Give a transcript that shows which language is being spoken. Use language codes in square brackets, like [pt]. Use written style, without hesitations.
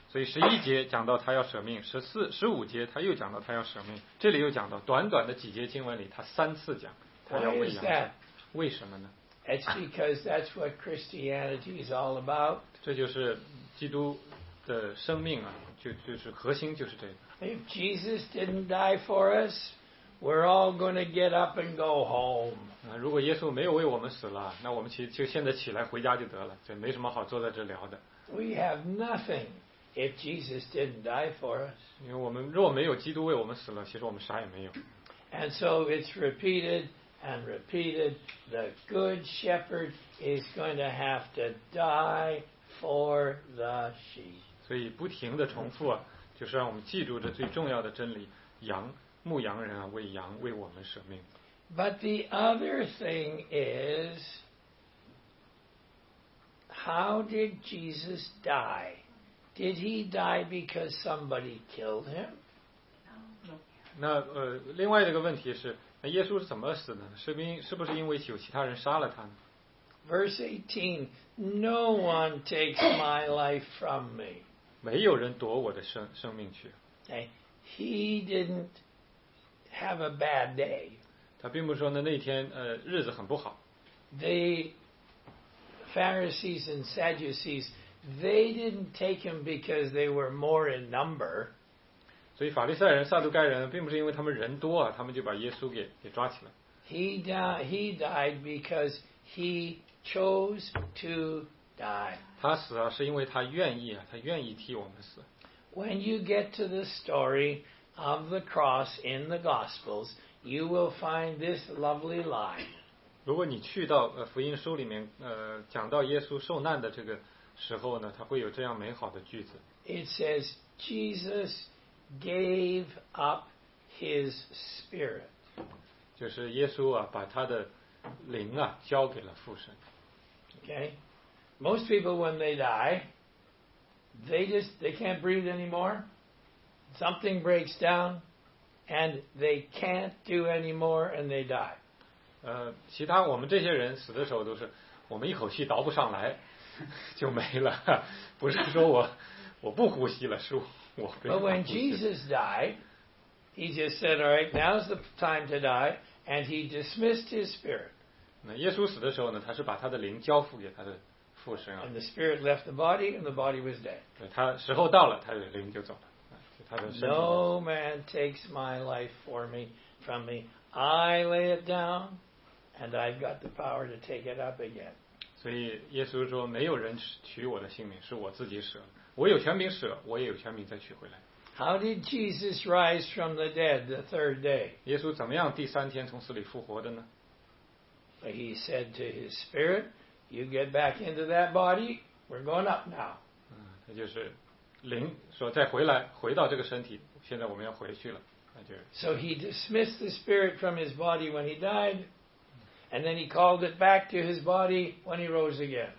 [zh] 所以十一节讲到他要舍命，十五节他又讲到他要舍命，这里又讲到短短的几节经文里，他三次讲他要喂羊。为什么呢？ [en] It's because that's what Christianity is all about. [zh] 这就是基督的生命啊，就是核心就是这个。 [en] If Jesus didn't die for us, we're all going to get up and go home. [zh] 如果耶稣没有为我们死了，那我们就现在起来回家就得了，就没什么好坐在这聊的。 [en] We have nothing if Jesus didn't die for us. [zh] 因为我们若没有基督为我们死了，其实我们啥也没有。 [en] And so it's repeated and repeated. The good shepherd is going to have to die for the sheep. [zh] 所以不停的重复啊。就是让我们记住这最重要的真理，羊，牧羊人啊，为羊为我们舍命。 [en] But the other thing is, how did Jesus die? Did he die because somebody killed him? No. [zh] 那另外一个问题是，那耶稣是怎么死的呢？是不是因为有其他人杀了他呢？ [en] Verse 18, No one takes my life from me. [zh] 没有人夺我的生命去。 [en] Okay. He didn't have a bad day. [zh] 他并不说呢，那天日子很不好。 [en] The Pharisees and Sadducees, they didn't take him because they were more in number. [zh] 所以法利赛人、撒杜盖人并不是因为他们人多啊，他们就把耶稣给抓起来。 [en] He died because he chose to die. [zh] 他死了是因为他愿意，他愿意替我们死。 [en] When you get to the story of the cross in the Gospels, you will find this lovely line. [zh] 如果你去到福音书里面，讲到耶稣受难的这个时候呢，他会有这样美好的句子。 [en] It says, Jesus gave up his spirit. [zh] 就是耶稣啊，把他的灵啊交给了父神。 [en] Okay, most people when they die, they can't breathe anymore. Something breaks down, and they can't do anymore, and they die. [zh] 其他我们这些人死的时候都是，我们一口气倒不上来，就没了。不是说我不呼吸了，是我不呼吸了。 [en] But when Jesus died, he just said, "All right, now's the time to die," and he dismissed his spirit. [zh] 那耶稣死的时候呢，他是把他的灵交付给他的父神啊。 [en] And the spirit left the body, and the body was dead. [zh] 对，他时候到了，他的灵就走了，他的身体。 [en] No man takes my life from me. I lay it down, and I've got the power to take it up again. [zh] 所以耶稣说，没有人取我的性命，是我自己舍。我有权柄舍，我也有权柄再取回来。 [en] How did Jesus rise from the dead the third day? [zh] 耶稣怎么样第三天从死里复活的呢？ [en] He said to his spirit, "You get back into that body. We're going up now." [zh] 那就是灵说再回来，回到这个身体。现在我们要回去了，那就是。 [en] So he dismissed the spirit from his body when he died, and then he called it back to his body when he rose again.